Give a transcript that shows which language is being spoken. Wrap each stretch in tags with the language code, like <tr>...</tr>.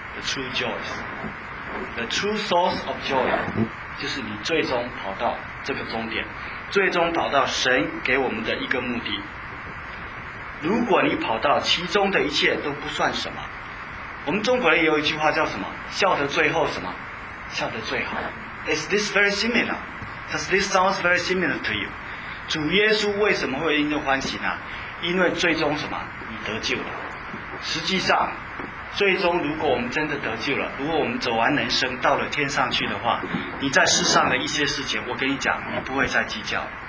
<en>The true joy, the true source of joy,</en> <zh>就是你最终跑到这个终点，最终跑到神给我们的一个目的。如果你跑到其中的一切都不算什么，我们中国人有一句话叫什么？笑得最后什么？笑得最好。</zh> <en>Is this very similar? Does this sounds very similar to you?</en> <zh>主耶稣为什么会因着欢喜呢？因为最终什么？你得救了。实际上，最终如果我们真的得救了，如果我们走完人生到了天上去的话，你在世上的一些事情，我跟你讲，你不会再计较。</zh>